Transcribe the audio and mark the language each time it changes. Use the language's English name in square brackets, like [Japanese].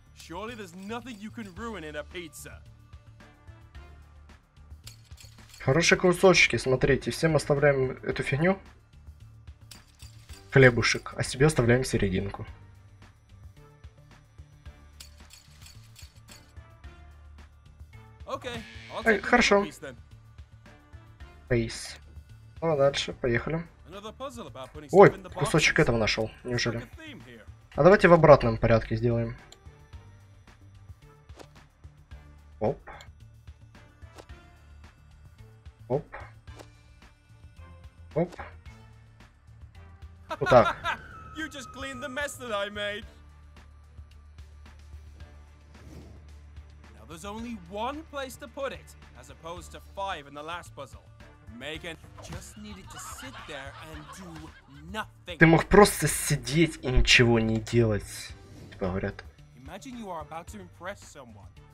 [English] Surely there's nothing you can ruin in a pizza. [Russian] Хорошие кусочки, смотрите, всем оставляем эту фигню. Хлебушек, а себе оставляем серединку. [English] Okay. [Russian] Эй, хорошо. Пейс. Ну а дальше, поехали. Ой, кусочек этого нашел, неужели? А давайте в обратном порядке сделаем. Оп. Оп. Оп. Вот так. [English] You just cleaned the mess that I made. Now there's only one place to put it, as opposed to five in the last puzzle. Megan just needed to sit there and do nothing. [Russian] Ты мог просто сидеть и ничего не делать, типа говорят. [English] Imagine you are about to impress someone.